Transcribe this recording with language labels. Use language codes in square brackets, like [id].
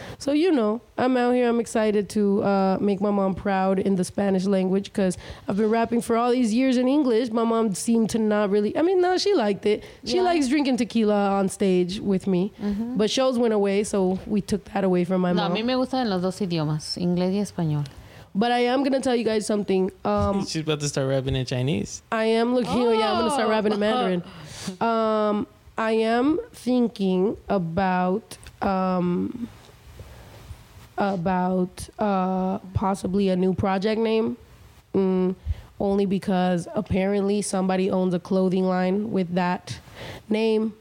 [en] So, you know, I'm out here, I'm excited to make my mom proud in the Spanish language because I've been rapping for all these years in English. My mom seemed to not really, I mean, no, she liked it. She likes drinking tequila on stage with me. Mm-hmm. But shows went away, so we took that away from my mom. [es] No, a mí me gustan los dos idiomas, inglés y español. [en] But I am going to tell you guys something. She's about to start rapping in Chinese. I am looking, I'm going to start rapping in Mandarin. I am thinking about possibly a new project name, only because apparently somebody owns a clothing line with that name.